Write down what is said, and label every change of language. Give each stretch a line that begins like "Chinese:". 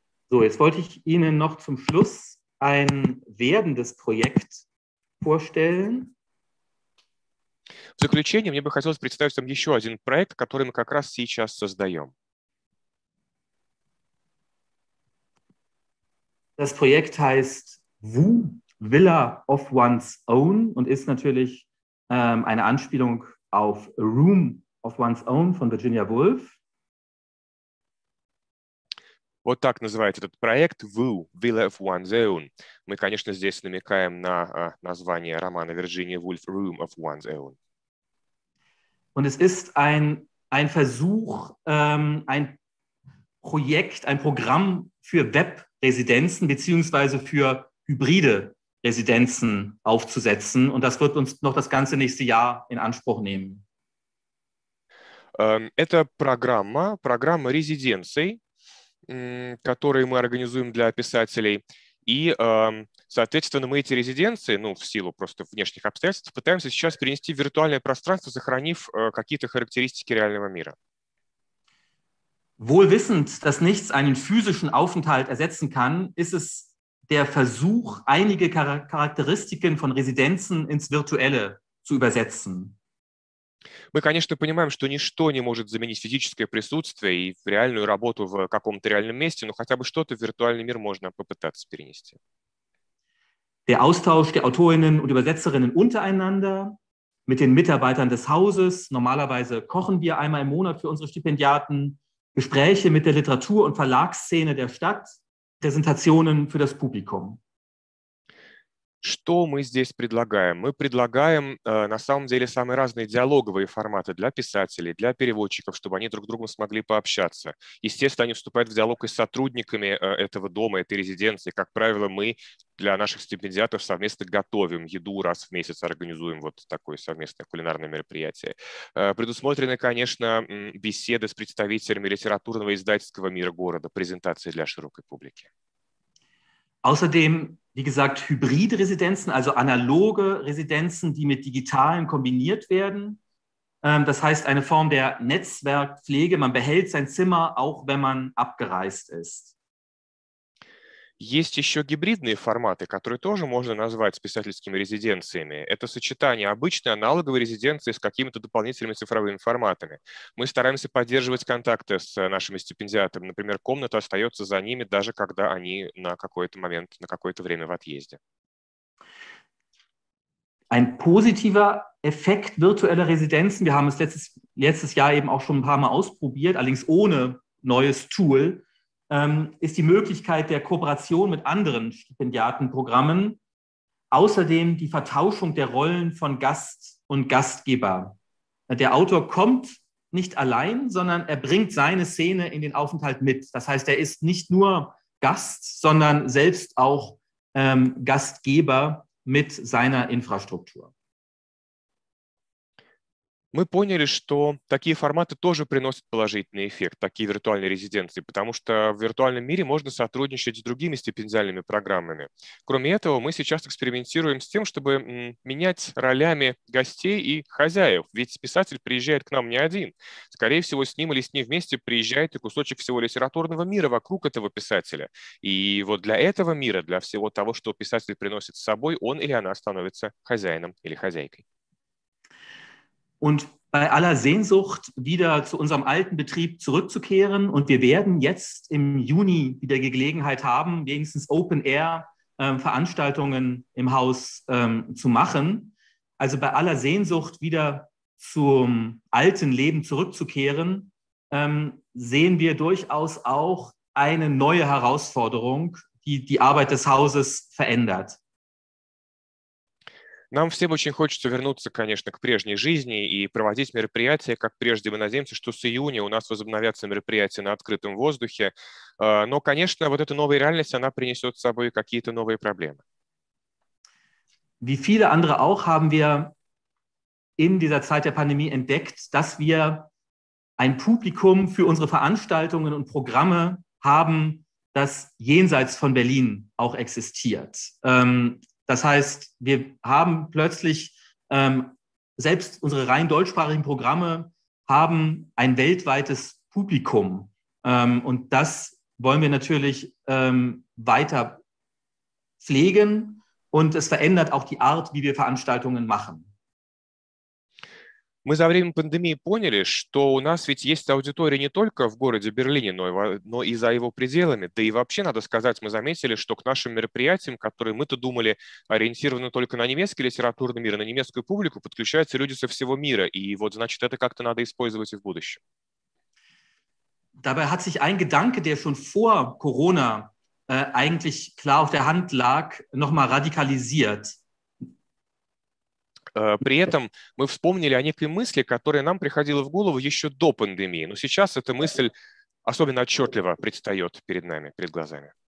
German: So, jetzt wollte ich Ihnen noch zum Schluss ein werdendes Projekt vorstellen.
Russian: В заключение мне бы хотелось представить вам еще один проект, который мы как раз сейчас создаем.
German: Das Projekt heißt Wu, Villa of One's Own und ist natürlich eine Anspielung auf A Room of One's Own von Virginia Woolf.
Russian: Вот так называется этот проект «Wu, Villa of One's Own». Мы, конечно, здесь намекаем на название романа Вирджинии Вульф «Room of One's Own».
German: Und es ist ein Versuch, ein Projekt, ein Programm für Web-Residenzen beziehungsweise für hybride Residenzen aufzusetzen. Und das wird uns noch das ganze nächste Jahr in Anspruch nehmen.
Russian: Это программа резиденций, которые мы организуем для писателей. И, соответственно, мы эти резиденции, ну, в силу просто внешних обстоятельств, пытаемся сейчас перенести в виртуальное пространство, сохранив какие-то характеристики реального мира.
German: Wohl wissend, dass nichts einen physischen Aufenthalt ersetzen kann, ist es der Versuch, einige Charakteristiken von Residenzen ins Virtuelle zu übersetzen.
Russian: Мы, конечно, понимаем, что ничто не может заменить физическое присутствие и реальную работу в каком-то реальном месте, но хотя бы что-то в виртуальный мир можно попытаться перенести.
German: Der Austausch der Autorinnen und Übersetzerinnen untereinander mit den Mitarbeitern des Hauses. Normalerweise kochen wir einmal im Monat für unsere Stipendiaten. Gespräche mit der Literatur- und Verlagsszene der Stadt. Präsentationen für das Publikum.
Russian: Что мы здесь предлагаем? Мы предлагаем, на самом деле, самые разные диалоговые форматы для писателей, для переводчиков, чтобы они друг с другом смогли пообщаться. Естественно, они вступают в диалог и с сотрудниками этого дома, этой резиденции. Как правило, мы для наших стипендиатов совместно готовим еду раз в месяц, организуем вот такое совместное кулинарное мероприятие. Предусмотрены, конечно, беседы с представителями литературного и издательского мира города, презентации для широкой публики.
German: Außerdem, wie gesagt, hybride Residenzen, also analoge Residenzen, die mit digitalen kombiniert werden. Das heißt, eine Form der Netzwerkpflege. Man behält sein Zimmer, auch wenn man abgereist ist.
Russian: Есть еще гибридные форматы, которые тоже можно назвать писательскими резиденциями. Это сочетание обычной аналоговой резиденции с какими-то дополнительными цифровыми форматами. Мы стараемся поддерживать контакты с нашими стипендиатами. Например, комната остается за ними, даже когда они на какой-то момент, на какое-то время в отъезде.
German: Ein positiver Effekt virtueller Residenzen. Wir haben es letztes Jahr eben auch schon ein paar Mal ausprobiert, allerdings ohne neues Tool. Ist die Möglichkeit der Kooperation mit anderen Stipendiatenprogrammen, außerdem die Vertauschung der Rollen von Gast und Gastgeber. Der Autor kommt nicht allein, sondern er bringt seine Szene in den Aufenthalt mit. Das heißt, er ist nicht nur Gast, sondern selbst auch Gastgeber mit seiner Infrastruktur.
Russian: Мы поняли, что такие форматы тоже приносят положительный эффект, такие виртуальные резиденции, потому что в виртуальном мире можно сотрудничать с другими стипендиальными программами. Кроме этого, мы сейчас экспериментируем с тем, чтобы менять ролями гостей и хозяев, ведь писатель приезжает к нам не один. Скорее всего, с ним или с ней вместе приезжает и кусочек всего литературного мира вокруг этого писателя. И вот для этого мира, для всего того, что писатель приносит с собой, он или она становится хозяином или хозяйкой.
German: Und bei aller Sehnsucht, wieder zu unserem alten Betrieb zurückzukehren, und wir werden jetzt im Juni wieder die Gelegenheit haben, wenigstens Open-Air-Veranstaltungen im Haus zu machen. Also bei aller Sehnsucht, wieder zum alten Leben zurückzukehren, sehen wir durchaus auch eine neue Herausforderung, die die Arbeit des Hauses verändert.
Russian: Нам всем очень хочется вернуться, конечно, к прежней жизни и проводить мероприятия, как прежде. Мы надеемся, что с июня у нас возобновятся мероприятия на открытом воздухе. Но, конечно, вот эта новая реальность, она принесет с собой какие-то новые проблемы.
German: Wie viele andere auch haben wir in dieser Zeit der Pandemie entdeckt, dass wir ein Publikum für unsere Veranstaltungen und Programme haben, das jenseits von Berlin auch existiert. Das heißt, wir haben plötzlich, selbst unsere rein deutschsprachigen Programme haben ein weltweites Publikum. Und das wollen wir natürlich weiter pflegen. Und es verändert auch die Art, wie wir Veranstaltungen machen.
Russian: Мы за время пандемии поняли, что у нас ведь есть аудитория не только в городе Берлине, но и за его пределами. Да и вообще, надо сказать, мы заметили, что к нашим мероприятиям, которые мы-то думали ориентированы только на немецкий литературный мир, на немецкую публику, подключаются люди со всего мира. И вот, значит, это как-то надо использовать и в будущем.
German: Dabei hat sich ein Gedanke, der schon vor Corona eigentlich klar auf der Hand lag, nochmal radikalisiert.
Russian: При этом мы вспомнили о некой мысли, которая нам приходила в голову еще до пандемии. Но сейчас эта мысль особенно отчетливо предстает перед нами, перед глазами.